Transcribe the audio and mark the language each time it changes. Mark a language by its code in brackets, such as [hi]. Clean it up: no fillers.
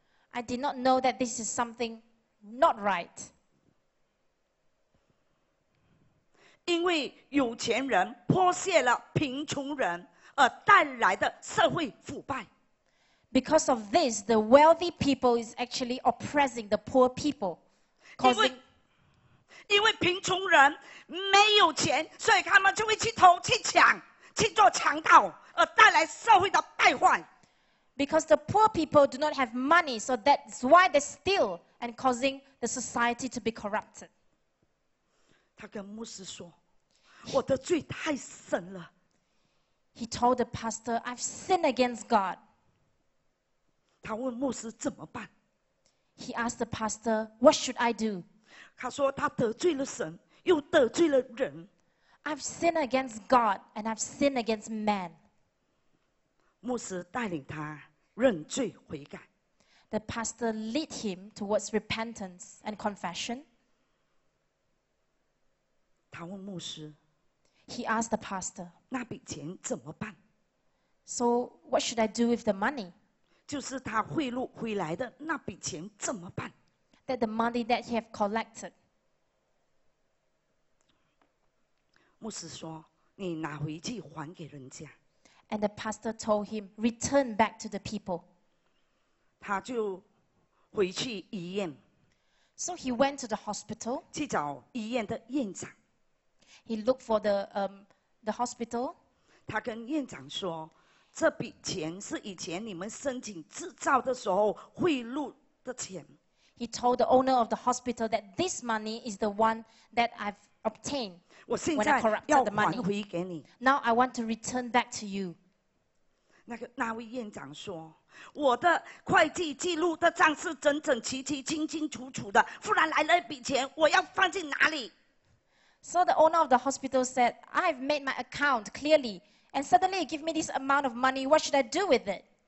[en] I did not know that this is something not right. [zh] 因为有钱人剥削了贫穷人而带来的社会腐败。 [en] Because of this, the wealthy people is actually oppressing the poor people. Causing... [zh] 因为贫穷人没有钱，所以他们就会去偷、去抢、去做强盗，而带来社会的败坏。 [en] Because the poor people do not have money, so that's why they steal and causing the society to be corrupted. [zh] 他跟牧师说：“我的罪太深了。” [en] He told the pastor, "I've sinned against God." [zh] 他问牧师怎么办？ [en] He asked the pastor, "What should I do?" [zh] 他说他得罪了神，又得罪了人。 [en] I've sinned against God and I've sinned against man. [zh] 牧师带领他认罪悔改。 [en] The pastor led him towards repentance and confession. [zh] 他问牧师 [en] ，He asked the pastor， [zh] 那笔钱怎么办 [en] ？So what should I do with the money？ [zh] 就是他贿赂回来的那笔钱怎么办 [en] ？That the money that he have collected。 [zh] 牧师说：“你拿回去还给人家。 [en] ”And the pastor told him， "Return back to the people." [zh] 他就回去医院。 [en] So he went to the hospital， [zh] 去找医院的院长。 [en] He looked for the hospital. [zh] 他跟院长说，这笔钱是以前你们申请执照的时候贿赂的钱。 [en] He told the owner of the hospital that this money is the one that I've obtained when I corrupted the money. [zh] 我现在要还回给你。 [en] Now I want to return back to you. [zh] 那位院长说，我的会计记录的账是整整齐齐、清清楚楚的，不然来了一笔钱，我要放进哪里？ [en] So the owner of the hospital said, I've made my account clearly, and suddenly you give me this amount of money, what should I do with it?